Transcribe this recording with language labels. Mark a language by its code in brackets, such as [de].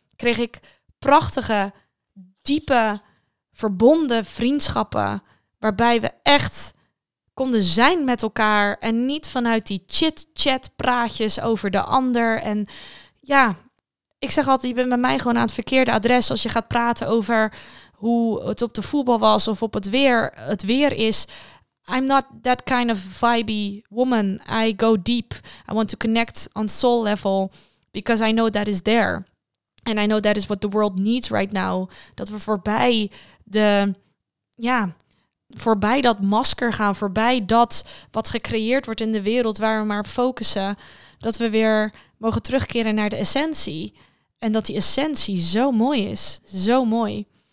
[nl] Kreeg ik prachtige, diepe, verbonden vriendschappen waarbij we echt konden zijn met elkaar en niet vanuit die chit-chat praatjes over de ander. En ja, ik zeg altijd, je bent bij mij gewoon aan het verkeerde adres als je gaat praten over hoe het op de voetbal was of op het weer is. [en] I'm not that kind of vibey woman. I go deep. I want to connect on soul level because I know that is there. And I know that is what the world needs right now. [nl] Dat we voorbij dat masker gaan, voorbij dat wat gecreëerd wordt in de wereld waar we maar op focussen. Dat we weer mogen terugkeren naar de essentie. En dat die essentie zo mooi is. Zo mooi.